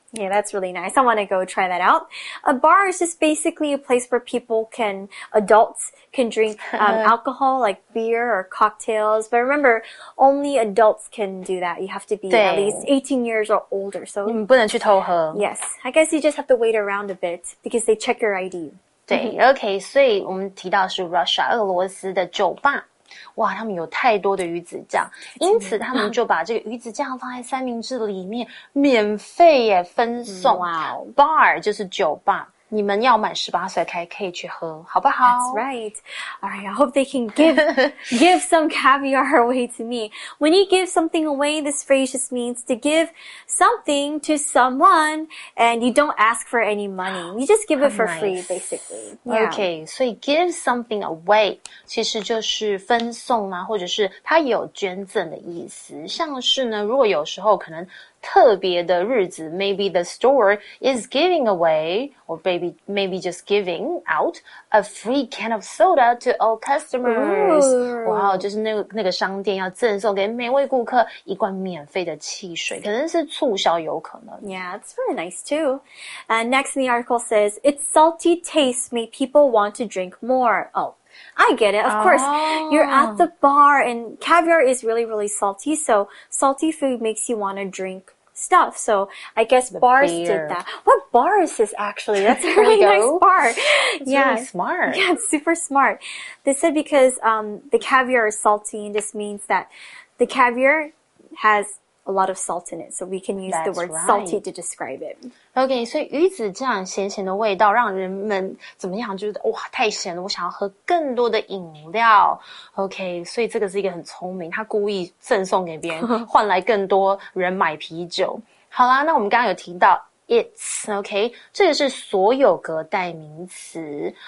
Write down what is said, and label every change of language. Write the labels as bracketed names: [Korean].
[English] Yeah, that's really nice. I want to go try that out. A bar is just basically a place where people can, adults can drink, alcohol, like beer or cocktails. But remember, only adults can do that. You have to be at least 18 years or older. So, [Chinese] 你不能去偷喝。 [English] Yes. I guess you just have to wait around a bit because they check your ID. [Chinese] 对 ,OK. 所以我们提到是 Russia, 俄罗斯的酒吧。哇，他们有太多的鱼子酱，因此他们就把这个鱼子酱放在三明治里面免费耶分送。 [English] Wow. [Chinese] Bar 就是酒吧，你们要满18岁才可以去喝，好不好？ [English] That's right. All right, I hope they can give some caviar away to me. When you give something away, this phrase just means to give something to someone and you don't ask for any money. You just give it for free, basically. [Chinese] Yeah. Okay, so [English] give something away [Chinese] 其实就是分送啊，或者是它有捐赠的意思。像是呢，如果有时候可能特别的日子 [English] ，maybe the store is giving away or maybe just giving out a free can of soda to all customers. Ooh. Wow, [Chinese] 然后就是那个商店要赠送给每位顾客一罐免费的汽水，可能是促销有可能。 [English] Yeah, that's very nice too. And next in the article says, its salty taste made people want to drink more. Oh. I get it. Of course, you're at the bar and caviar is really, really salty. So salty food makes you want to drink stuff. So I guess the bars、beer. Did that. What bar is this actually? That's a really nice bar. It's、yeah. really smart. Yeah, it's super smart. They said because、the caviar is salty and this means that the caviar has... A lot of salt in it, so we can use、 That's、 the word、 right. salty to describe it. [Chinese] Okay, so 鱼子酱咸咸的味道让人们怎么样？就是哇，太咸了，我想要喝更多的饮料。 Okay, 所以这个是一个很聪明，他故意赠送给别人，换来更多人买啤酒。好啦，那我们刚刚有提到 its, okay, 这个是所有格代名词。